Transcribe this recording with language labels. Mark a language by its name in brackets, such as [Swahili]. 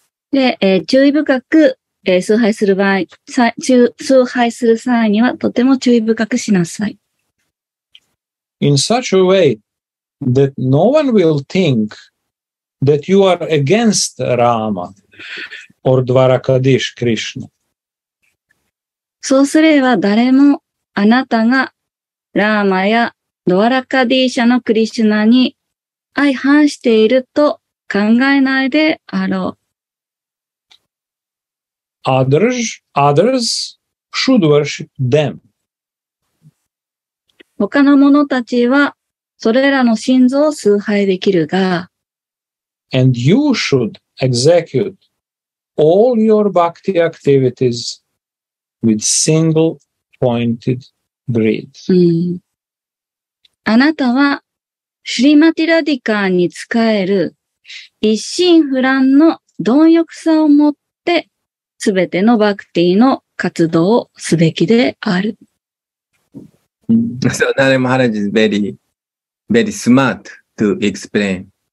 [Japanese] で、注意深く、崇拝する場合、崇拝する際にはとても注意深くしなさい。 [English] In such a way that no one will think that you are against Rama or Dvarakadish Krishna. [Japanese] そうすれば誰もあなたがラーマやドワラカディーシャのクリシュナに相反していると考えないであろう。 [English] Others should worship them. [Japanese] 他の者たちはそれらの神像を崇拝できるが、 [English] And you should execute all your bhakti activities with single-pointed breeds. Mm. [Japanese] あなたはシュリマティラディカーに仕える一心不乱の貪欲さを持ってすべてのバクティの活動をすべきである。 [English] So, Narayan Maharaj is very, very smart to explain.